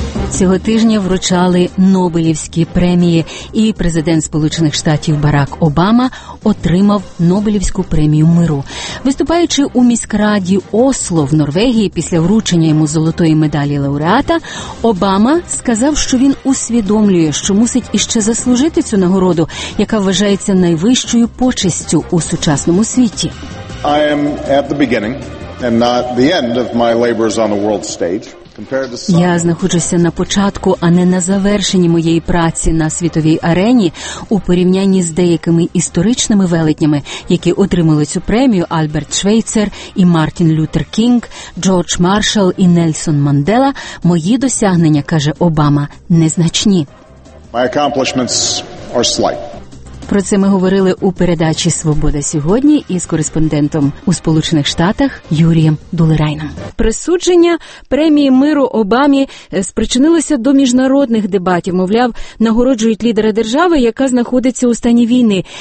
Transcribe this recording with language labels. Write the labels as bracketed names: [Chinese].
[Ukrainian] Цього тижня вручали Нобелівські премії, і президент Сполучених Штатів Барак Обама отримав Нобелівську премію миру. Виступаючи у міськраді Осло в Норвегії після вручення йому золотої медалі лауреата, Обама сказав, що він усвідомлює, що мусить іще заслужити цю нагороду, яка вважається найвищою почестю у сучасному світі. [English] I am at the beginning and not the end of my labors on the world stage. [Ukrainian] Я знаходжуся на початку, а не на завершенні моєї праці на світовій арені. У порівнянні з деякими історичними велетнями, які отримали цю премію, Альберт Швейцер і Мартін Лютер Кінг, Джордж Маршалл і Нельсон Мандела, мої досягнення, каже Обама, незначні. [English] My accomplishments are slight. [Ukrainian] Про це ми говорили у передачі «Свобода сьогодні» із кореспондентом у Сполучених Штатах Юрієм Дулерайном. Присудження премії миру Обамі спричинилося до міжнародних дебатів. Мовляв, нагороджують лідера держави, яка знаходиться у стані війни.